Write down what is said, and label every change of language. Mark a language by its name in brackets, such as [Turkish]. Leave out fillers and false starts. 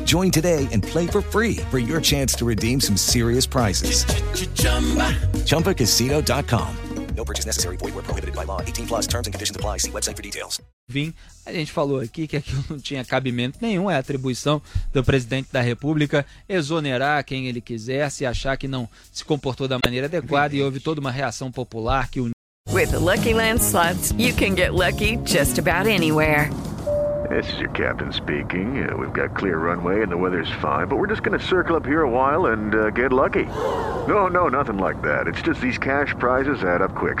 [English] Join today and play for free for your chance to redeem some serious prizes. Chumbacasino.com. No purchase necessary. Void where prohibited by law. 18 plus terms and conditions apply. See website for details. [Portuguese] Vim, a gente falou aqui que aquilo não tinha cabimento nenhum. É atribuição do presidente da República exonerar quem ele quiser se achar que não se comportou da maneira adequada. Vim. E houve toda uma reação popular que... [English] With the Lucky Land Slots, you can get lucky just about anywhere. This is your captain speaking. We've got clear runway and the weather's fine, but we're just going to circle up here a while and get lucky. No, no, nothing like that. It's just these cash prizes add up quick.